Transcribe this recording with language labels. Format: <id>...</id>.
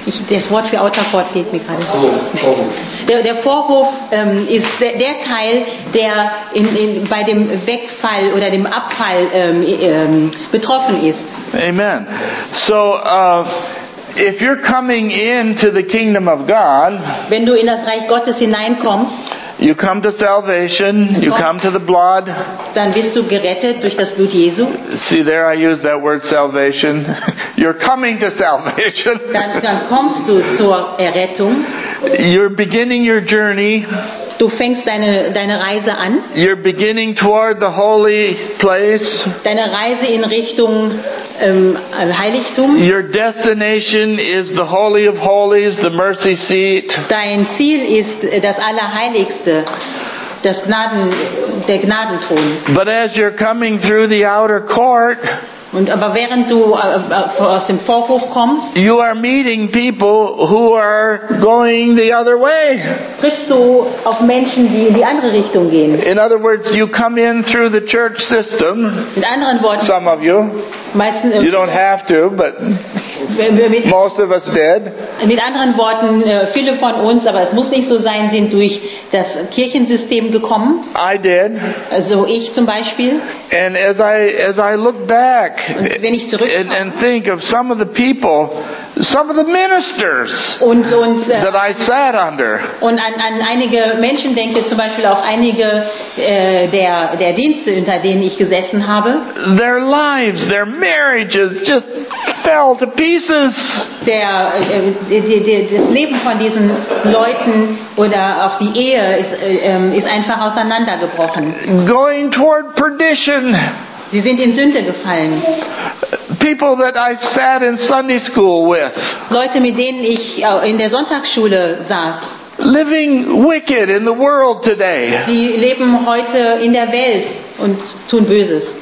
<de>Das Wort für</de> <en>outer court</en> <de>fehlt mir gerade. Der Vorhof ist der Teil, der bei dem Wegfall oder dem Abfall betroffen ist. Amen.</de> <en>So, if you're coming into the kingdom of God,</en> <de>wenn du in das Reich Gottes hineinkommst,</de> <en>you come to salvation, you come to the blood.</en> <de>Dann bist du gerettet durch das Blut Jesu.</de> <en>See, there I use that word salvation. You're coming to salvation.</en> <de>Dann kommst du zur Errettung.</de> <en>You're beginning your journey.</en> <de>Du fängst deine Reise an.</de> <en>You're beginning toward the holy place.</en> <de>Deine Reise in Richtung Heiligtum.</de> <en>Your destination is the Holy of Holies, the mercy seat.</en> <de>Dein Ziel ist das Allerheiligste, der Gnadenthron.</de> <en>But as you're coming through the outer court,</en> <de>aber während du aus dem Vorhof kommst,</de> <en>you are meeting people who are going the other way.</en> <de>Triffst du auf Menschen, die in die andere Richtung gehen.</de> <en>In other words, you come in through the church system.</en> <de>Mit anderen Worten,</de> <en>some of you,</en> <de>meistens,</de> <en>you don't have to, but most of us did.</en> <de>Mit anderen Worten, viele von uns, aber es muss nicht so sein, sind durch das Kirchensystem gekommen.</de> <en>I did.</en> <de>Also ich zum Beispiel.</de> <en>And as I look back,</en> <de>und wenn ich zurückkomme,</de> <en>and think of some of the people, some of the ministers that I sat under.</en> <de>Und an einige Menschen denke, zum Beispiel auch einige der Dienste, unter denen ich gesessen habe.</de> <en>Their lives, their marriages just fell to pieces.</en> <de>Das Leben von diesen Leuten oder auch die Ehe ist einfach auseinandergebrochen.</de> <en>Going toward perdition.</en> <de>Sie sind in Sünde gefallen.</de> <en>People that I sat in Sunday school with.</en> <de>Leute, mit denen ich in der Sonntagsschule saß.</de> <en>Living wicked in the world today.</en> <de>Sie leben heute in der Welt und tun Böses.</de>